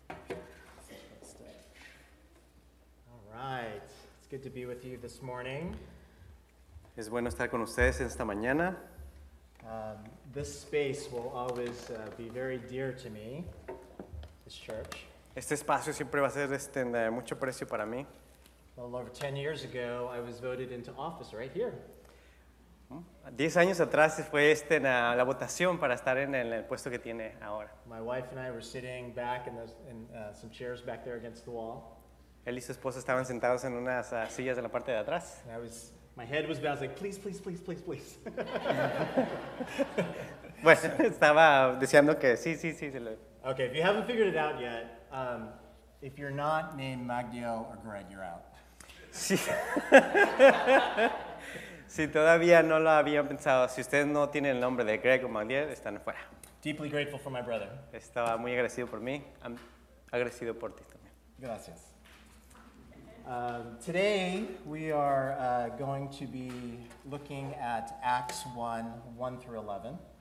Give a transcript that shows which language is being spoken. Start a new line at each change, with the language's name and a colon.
English: All right. It's good to be with you this morning.
Spanish: Es bueno estar con ustedes esta mañana.
English: This space will always be very dear to me, this church.
Spanish: Este espacio siempre va a ser de mucho precio para mí.
English: Well, over 10 years ago, I was voted into office right here.
Spanish: 10 años atrás fue la votación para estar en el puesto que tiene ahora.
English: My wife and I were sitting back in some chairs back there against the wall.
Spanish: Él y su esposa estaban sentados en unas sillas de la parte de atrás.
English: And my head was bowed, I was like, please, please, please, please, please.
Spanish: Bueno, estaba deseando que sí, sí, sí.
English: Okay, if you haven't figured it out yet, if you're not named Magdiel or Greg, you're out.
Spanish: Sí. Si todavía no lo habían pensado, si ustedes no tienen el nombre de Greg o Magdiel, están afuera.
English: Deeply grateful for my brother.
Spanish: Estaba muy agradecido por mí. I'm agradecido por ti también.
English: Gracias. Today we are going to be looking at Acts 1, 1 through 11.